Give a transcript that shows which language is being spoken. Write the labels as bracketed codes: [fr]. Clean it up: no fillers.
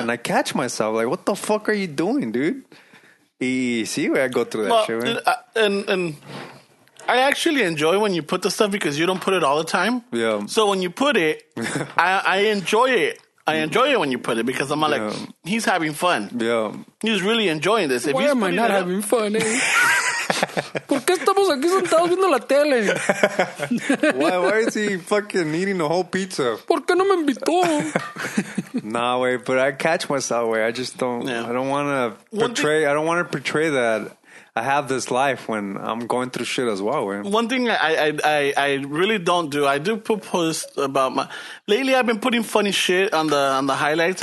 [en] And I catch myself, like, what the fuck are you doing, dude? See, way, I go through that shit, way. And I actually enjoy when you put the stuff because you don't put it all the time. Yeah. So when you put it, I enjoy it. I enjoy it when you put it because I'm like, he's having fun. Yeah. He's really enjoying this. If Why am I not having fun, eh? [es] ¿Por qué estamos aquí sentados viendo la tele? [en] Why is he fucking eating the whole pizza? [es] ¿Por qué no me invitó? [en] Nah, way, but I catch myself, way. I just don't, I don't want to portray, I don't want to portray that I have this life when I'm going through shit as well, way. One thing I really don't do, I do put posts about my, lately I've been putting funny shit on the highlights.